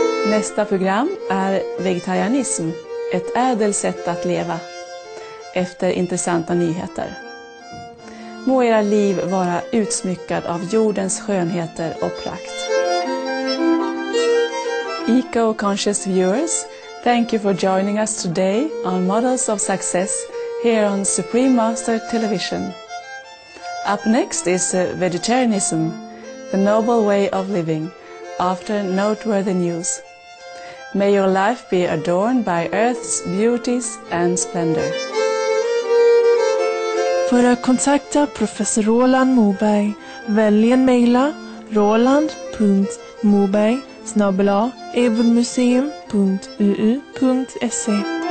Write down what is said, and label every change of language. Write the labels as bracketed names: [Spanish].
[Swedish] Nästa program är vegetarianism, ett ädelt sätt att leva, efter intressanta nyheter. Må era liv vara utsmyckad av jordens skönheter och prakt. [English] Eco-conscious viewers, thank you for joining us today on Models of Success here on Supreme Master Television. Up next is vegetarianism, the noble way of living, after noteworthy news. May your life be adorned by Earth's beauties and splendor. [Swedish] För att kontakta professor Roland Moberg, välj en mejla roland.moberg@evolmuseum.uu.se.